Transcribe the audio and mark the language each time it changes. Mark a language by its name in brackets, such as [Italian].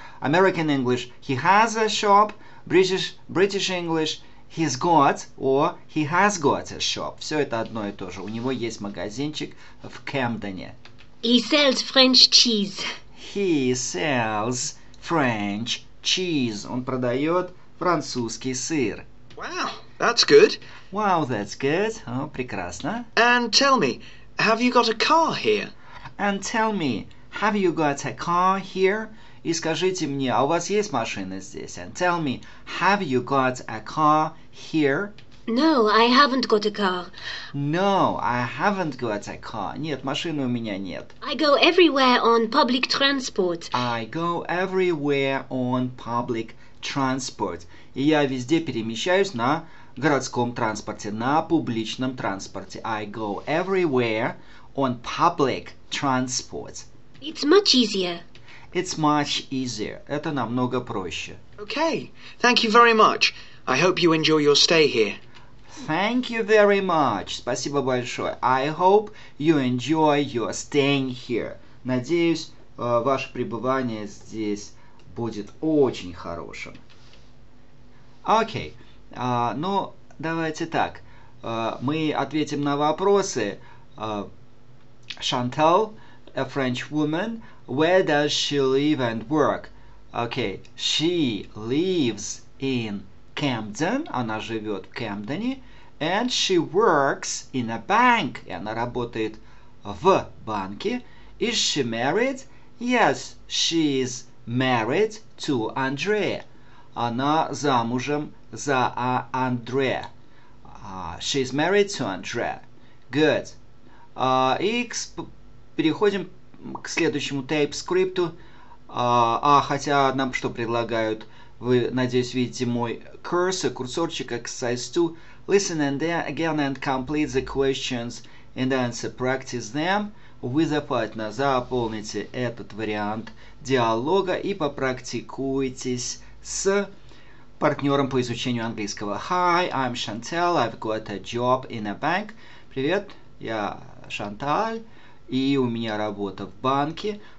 [English] American English, he has a shop. British English, he's got, or he has got a shop. [Russian] Все это одно и то же. У него есть магазинчик в Кемдоне. [English] He sells French cheese. He sells French cheese. [Russian] Он продает французский сыр. [English] Wow, that's good. Wow, that's good. [Russian] О, прекрасно. [English] And tell me, have you got a car here? And tell me, have you got a car here? [Russian] И скажите мне, а у вас есть машина здесь? [English] And tell me, have you got a car here? No, I haven't got a car. No, I haven't got a car. [Russian] Нет, машины у меня нет. [English] I go everywhere on public transport. I go everywhere on public transport. [Russian] И я везде перемещаюсь на городском транспорте, на публичном транспорте. [English] I go everywhere on public transport. It's much easier. It's much easier. [Russian] Это намного проще. [English] Okay, thank you very much. I hope you enjoy your stay here. Thank you very much. [Russian] Спасибо большое. [English] I hope you enjoy your staying here. [Russian] Надеюсь, ваше пребывание здесь будет очень хорошим. Окей, ну давайте так, мы ответим на вопросы. [English] Chantal, a French woman, where does she live and work? Окей, she lives in Camden, [Russian] она живет в Кемдоне, [English] and she works in a bank, [Russian] и она работает в банке. [English] Is she married? Yes, she is married to Andrea. [Russian] Она замужем за Андре. [English] She's married to Andre. Good. [Russian] Переходим к следующему тейп-скрипту. Хотя нам что предлагают? Вы, надеюсь, видите мой курсорчик, exercise 2. [English] Listen and again and complete the questions and answer. Practice them with a partner. [Russian] Заполните этот вариант диалога и попрактикуйтесь с партнером по изучению английского. [English] Hi, I'm Chantal. I've got a job in a bank. [Russian] Привет, я Chantal, и у меня работа в банке.